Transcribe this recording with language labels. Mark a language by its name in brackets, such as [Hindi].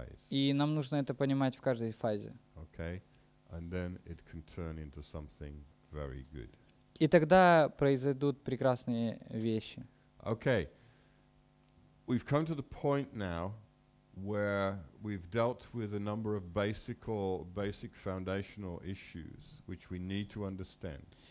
[Russian] И нам нужно это понимать в каждой фазе. [English] Okay. And then it can turn into something very good. [Russian] И тогда произойдут прекрасные вещи. [English] Okay. We've come to the point now where we've dealt with a number of basic foundational issues which we need to understand.